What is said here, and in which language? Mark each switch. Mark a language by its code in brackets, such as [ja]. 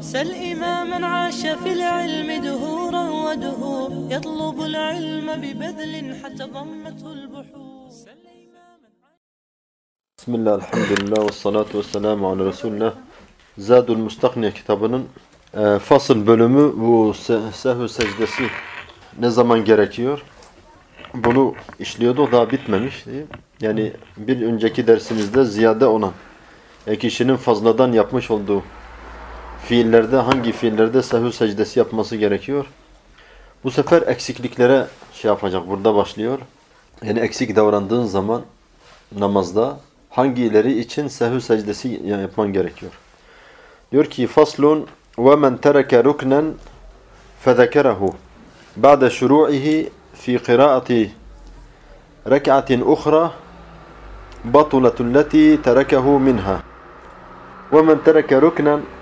[ar] سل إماما عاش في العلم دهورا ودهور يطلب العلم ببذل حتى ضمته البحور. بسم الله الحمد لله والصلاة والسلام على رسول الله. [tr] زاد المستقنع كتابının fasıl bölümü bu sehv secdesi ne zaman gerekiyor? Bunu işliyordu, o daha bitmemiş. Yani bir önceki dersimizde ziyade olan, kişinin fazladan yapmış olduğu fiillerde, hangi fiillerde sehv secdesi yapması gerekiyor? Bu sefer eksikliklere şey yapacak, burada başlıyor. Yani eksik davrandığın zaman namazda hangileri için sehv secdesi yapman gerekiyor? Diyor ki faslun [ar] وَمَنْ تَرَكَ رُكْنًا فَذَكَرَهُ بَعْدَ شُرُوعِهِ فِي قِرَاءَةِ رَكْعَةٍ أُخْرَى بَطُلَةٌ لَّتِي تَرَكَهُ مِنْهَا وَمَنْ تَرَكَ رُكْنًا.